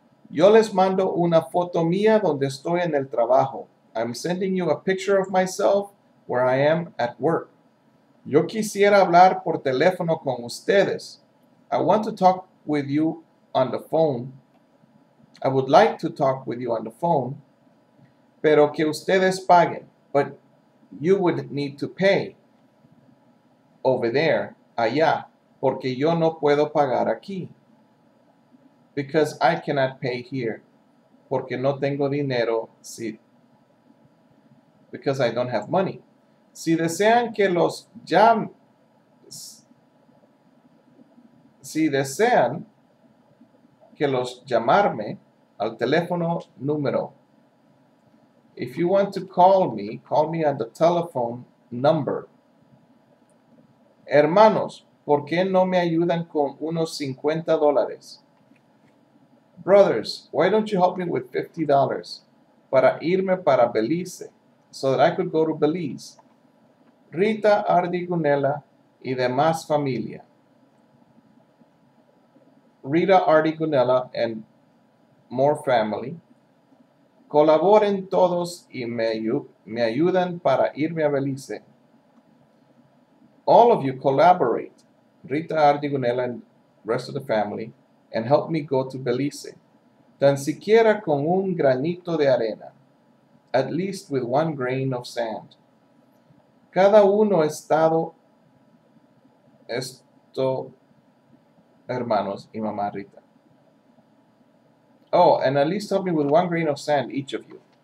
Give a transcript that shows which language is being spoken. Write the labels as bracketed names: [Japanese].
[Spanish] Yo les mando una foto mía donde estoy en el trabajo. [English] I'm sending you a picture of myself where I am at work. [Spanish] Yo quisiera hablar por teléfono con ustedes. [English] I want to talk with you on the phone. I would like to talk with you on the phone. [Spanish] Pero que ustedes paguen. [English] But you would need to pay over there, [Spanish] allá, porque yo no puedo pagar aquí. [English] Because I cannot pay here. [Spanish] Porque no tengo dinero. [English] Si, because I don't have money. [Spanish] Si desean que los llamen, si desean que los llamarme, al teléfono número. [English] If you want to call me at the telephone number. [Spanish] Hermanos, ¿por qué no me ayudan con unos $50? [English] Brothers, why don't you help me with $50 [Spanish] para irme para Belice [English] so that I could go to Belize? [Spanish] Rita Ardigunela y demás familia. [English] Rita Ardigunela and more family. [Spanish] Colaboren todos y me ayudan para irme a Belice. [English] All of you collaborate, Rita Ardigunela and rest of the family, and help me go to Belice. [Spanish] Tan siquiera con un granito de arena, [English] at least with one grain of sand. [Spanish] Cada uno ha estado, esto, hermanos y mamá Rita. [English] Oh, and at least help me with one grain of sand, each of you.